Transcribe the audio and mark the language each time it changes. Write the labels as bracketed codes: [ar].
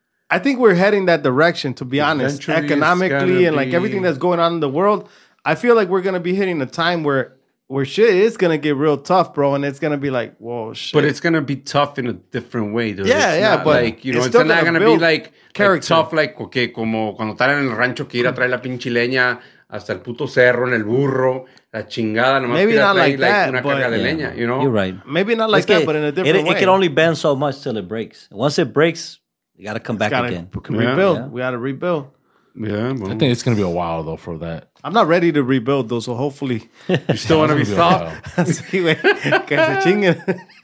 [en] I think we're heading that direction, to be honest. Economically and like everything that's going on in the world, I feel like we're going to be hitting a time where shit is going to get real tough, bro, and it's going to be like, whoa, shit. But it's going to be tough in a different way, dude. Yeah, it's but like, you know, it's not going to be like character. Like tough, like, okay, [es] como cuando están en el rancho que ir a traer la pinche leña hasta el puto cerro en el burro, la chingada, nomás [en] maybe not play, like that, [es] una [en] but [es] carga de leña, [en] you know? You're right. Maybe not like that, but in a different way. It can only bend so much till it breaks. Once it breaks, you got to come back again. Rebuild. Yeah. We got to rebuild. Yeah, boom. I think it's going to be a while, though, for that. I'm not ready to rebuild, though, so hopefully. You still want to be soft? [es] Sí, güey. Que se chinguen.